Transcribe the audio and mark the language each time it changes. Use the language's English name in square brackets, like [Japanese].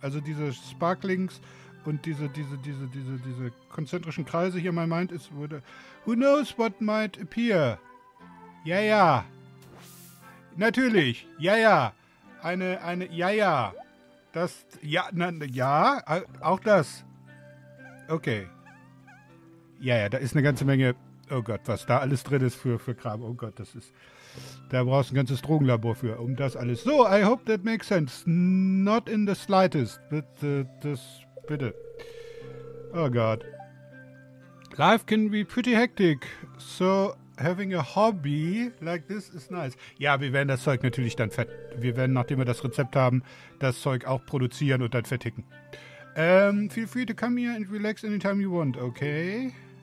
[German] Also diese Sparklings und diese konzentrischen Kreise hier in meinem Mind ist, würde, [English] who knows what might appear? [German] Ja, ja. Natürlich. Ja, ja. Eine, ja, ja. Das, ja, na, ja, auch das. Okay. Ja, ja, da ist eine ganze Menge, oh Gott, was da alles drin ist für Kram, oh Gott, das ist, da brauchst du ein ganzes Drogenlabor für, um das alles. [English] So, I hope that makes sense, not in the slightest, [German] bitte, das, bitte. Oh Gott. [English] Life can be pretty hectic, so having a hobby like this is nice. [German] Ja, wir werden das Zeug natürlich dann, wir werden, nachdem wir das Rezept haben, das Zeug auch produzieren und dann verticken. [English] Feel free to come here and relax anytime you want, okay?